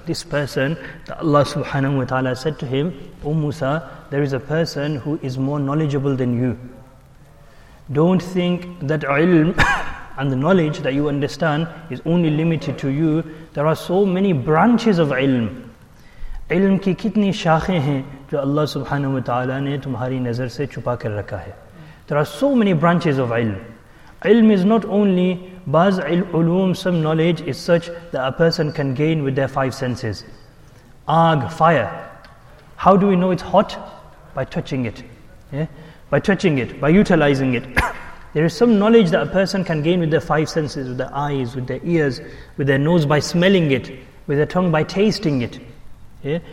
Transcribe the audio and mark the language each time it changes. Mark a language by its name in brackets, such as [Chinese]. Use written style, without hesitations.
[English] This person that Allah subhanahu wa ta'ala said to him, O Musa, there is a person who is more knowledgeable than you. Don't think that ilm and the knowledge that you understand is only limited to you. There are so many branches of ilm. [Urdu] علم کی کتنی شاخیں ہیں جو اللہ سبحانہ و تعالیٰ نے تمہاری نظر سے چھپا کر رکھا ہے۔ [English] There are so many branches of ilm. Ilm is not only baz ulum, some knowledge is such that a person can gain with their five senses. Aag, fire. How do we know it's hot? By touching it. Yeah? By touching it, by utilizing it. There is some knowledge that a person can gain with their five senses, with their eyes, with their ears, with their nose by smelling it, with their tongue by tasting it. Yeah?